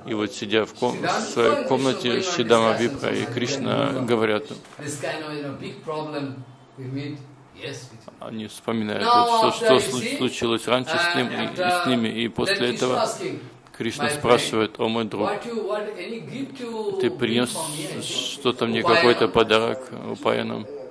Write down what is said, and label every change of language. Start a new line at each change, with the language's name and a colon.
Russian: И вот сидя в комнате Шридама Випра и Кришна говорят.
English: This kind of, you know, big problem we meet. Yes.
Russian: Они вспоминают все, что случилось раньше с ним и с ними, и после этого Кришна спрашивает: «О мой друг, ты принес что-то мне, какой-то подарок упаянам?»